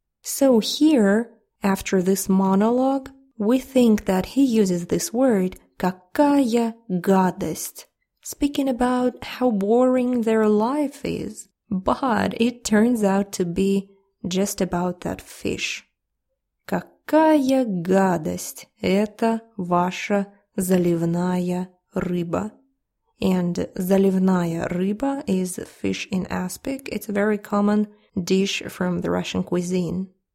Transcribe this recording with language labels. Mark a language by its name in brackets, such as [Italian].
[English] So here, after this monologue, we think that he uses this word, [Russian] какая гадость, [English] speaking about how boring their life is. But it turns out to be just about that fish. [Russian] Какая гадость, это ваша заливная рыба. [English] And заливная рыба is fish in aspic. It's a very common dish from the Russian cuisine.